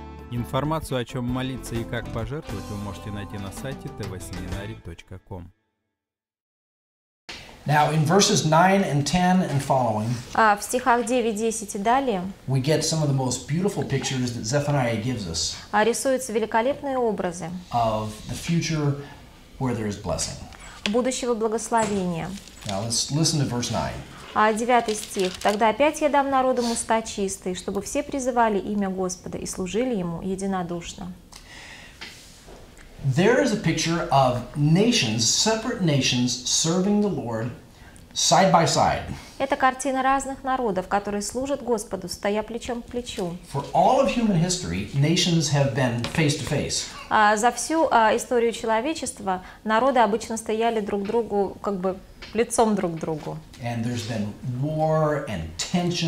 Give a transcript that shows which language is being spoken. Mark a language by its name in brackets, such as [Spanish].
[Russian] Информацию, о чем молиться и как пожертвовать, вы можете найти на сайте tvseminary.com. [English] Now in verses 9 and 10 and following, [Russian] в стихах 9, 10 и далее, [English] we get some of the most beautiful pictures that Zephaniah gives us. [Russian] Рисуются великолепные образы [English] of the future where there is blessing. [Russian] Будущего благословения. [English] Now let's listen to verse 9. [Russian] 9 стих. «Тогда опять я дам народам уста чистые, чтобы все призывали имя Господа и служили Ему единодушно». [English] There is a picture of nations, separate nations, serving the Lord side by side. [Russian] Это картина разных народов, которые служат Господу, стоя плечом к плечу. [English] For all of human history, nations have been face to face. [Russian] За всю историю человечества народы обычно стояли друг другу, как бы лицом друг к другу. [English] And there's been war and tension.